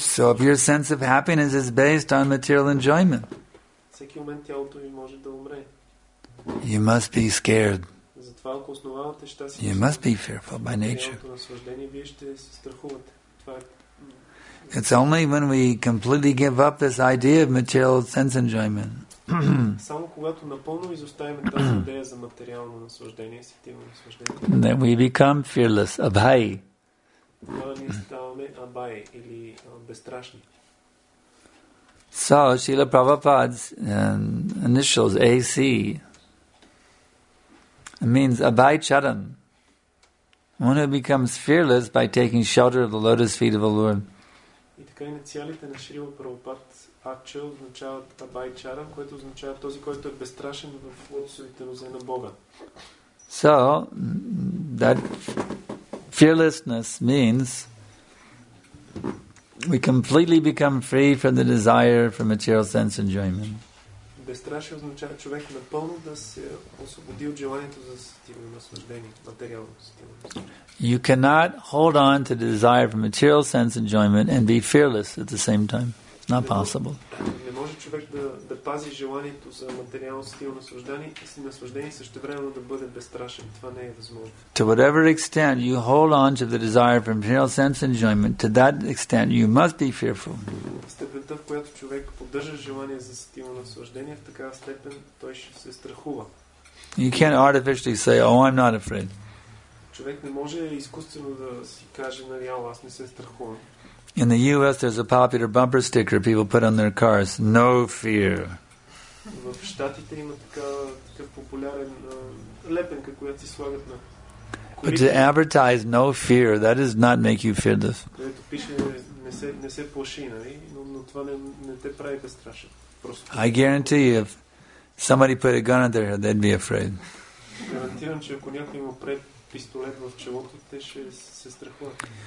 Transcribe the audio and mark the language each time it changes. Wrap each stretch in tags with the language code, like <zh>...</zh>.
<en>So if your sense of happiness is based on material enjoyment,</en> <bg>всеки момент тялото ви може да умре.</bg> <en>You must be scared.</en> <bg>Затова ако основавате щастие,</bg> <en>you must be fearful by nature.</en> <bg>Стилното наслаждение, вие ще се страхувате. Това е.</bg> <en>It's only when we completely give up this idea of material sense enjoyment.</en> <bg>Само когато напълно изоставим тази идея за материално наслаждение, сетивно наслаждение,</bg> <en>then we become fearless, abhay.</en> <bg>Тогава ние ставаме abhay или безстрашни.</bg> <en>So, Srila Prabhupada's initials, AC, means abhay charan. One who becomes fearless by taking shelter of the lotus feet of the Lord.</en> <bg>Така инициалите на Шрила Прабхупад Ача означават Абай Чара, което означава този, който е безстрашен в лотосовите нозе на Бога.</bg> <en>So, that fearlessness means we completely become free from the desire for material sense enjoyment.</en> <bg>Безстрашие означава човек напълно да се освободи от желанието за сетивно наслаждение, материалното сетивно наслаждение.</bg> <en>You cannot hold on to the desire for material sense enjoyment and be fearless at the same time. It's not possible.</en> <bg>Не може човек да пази желанието за материално стил наслаждение и същевременно да бъде безстрашен. Това не е възможно.</bg> <en>To whatever extent you hold on to the desire for material sense enjoyment, to that extent you must be fearful.</en> <bg>Степента, в която човек поддържа желание за стил наслаждение, в такава степен той ще се страхува.</bg> <en>You can't artificially say, "Oh, I'm not afraid."</en> <bg>Човек не може изкуствено да си каже, нали, аз не се страхувам.</bg> <en>In the US there's a popular bumper sticker people put on their cars, no fear.</en> <bg>В щатите има такъв популярен лепенка, която си слагат на колите.</bg> <en>But to advertise no fear, that does not make you fearless.</en> <bg>Където пише не се плаши, нали, но това не те прави безстрашен. Просто.</bg> <en>I guarantee you, if somebody put a gun in their head, they'd be afraid.</en> <bg>Гарантирам, че ако някой има пред пистолет в челото, те ще се страхуват.</bg>